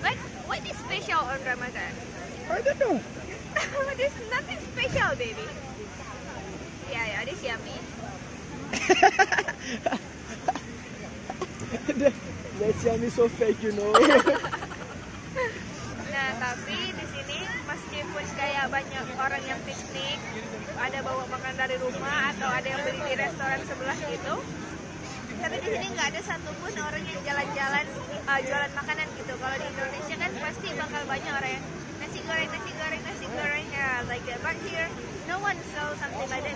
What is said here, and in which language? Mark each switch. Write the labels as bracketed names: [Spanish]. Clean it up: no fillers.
[English] But what is special on Ramadan? I don't know. There's nothing special, baby. Yeah, yeah, this yummy. That's yummy so fake, you know. [Indonesian] Nah, tapi di sini meskipun kayak banyak orang yang piknik, ada bawa makan dari rumah atau ada yang beli di restoran sebelah gitu, tapi di sini nggak ada satupun orang yang jalan-jalan jualan makanan gitu. Kalau di Indonesia kan pasti bakal banyak orang yang nasi goreng, [English] yeah, like that. But here, no one sells something like that,